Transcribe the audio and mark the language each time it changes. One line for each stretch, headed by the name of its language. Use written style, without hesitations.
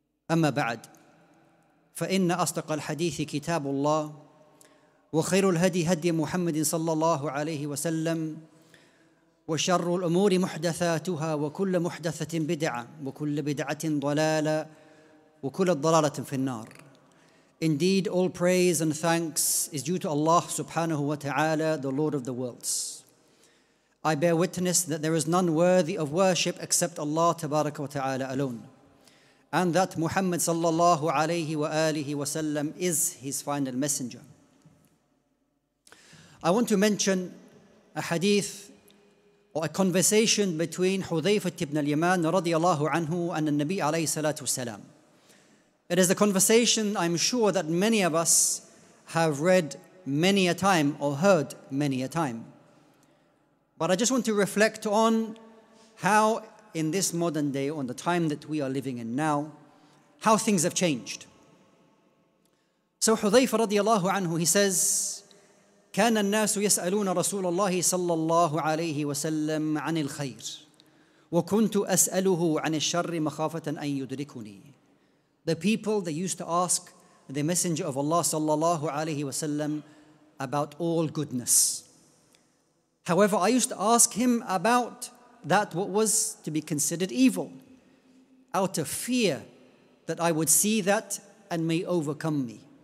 Arabic: أما بعد، فإن أصدق الحديث كتاب الله، وخير الهدي هدي محمد صلى الله عليه وسلم، وشر الأمور محدثاتها، وكل محدثة بدعة، وكل بدعة ضلالة، وكل ضلالة في النار.
English: Indeed, all praise and thanks is due to Allah subhanahu wa ta'ala, the Lord of the worlds. I bear witness that there is none worthy of worship except Allah tabaraka wa ta'ala alone, and that Muhammad sallallahu alayhi wa alihi wa sallam is his final messenger. I want to mention a hadith, or a conversation between Hudhayfah ibn al-Yaman radiyallahu anhu and the Nabi alayhi salatu wasalam. It is a conversation I'm sure that many of us have read many a time or heard many a time. But I just want to reflect on how in this modern day, on the time that we are living in now, how things have changed. So Hudhayfah radiyallahu anhu, he says,
Arabic: كان الناس يسألون رسول الله صلى الله عليه وسلم عن الخير وكنت أسأله عن الشر مخافة أن يدركني.
English: The people, they used to ask the messenger of Allah
Arabic: صلى الله عليه وسلم
English: about all goodness. However, I used to ask him about that what was to be considered evil, out of fear that I would see that and may overcome me.